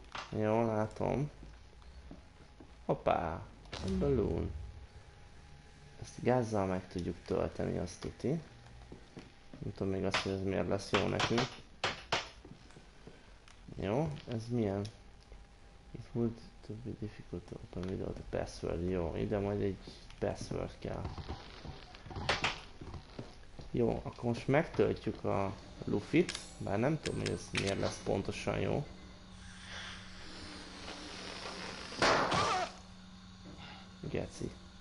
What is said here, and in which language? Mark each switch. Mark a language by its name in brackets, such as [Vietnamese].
[Hungarian] Jó, látom. Hoppá! A balloon. Ezt gázzal meg tudjuk tölteni, azt tuti. Nem tudom még azt, hogy ez miért lesz jó nekünk. Jó, ez milyen? [English] It would to be difficult to open without a password. [Hungarian] Jó, ide majd egy password kell. Jó, akkor most megtöltjük a lufit, bár nem tudom, hogy ez miért lesz pontosan jó. Geci.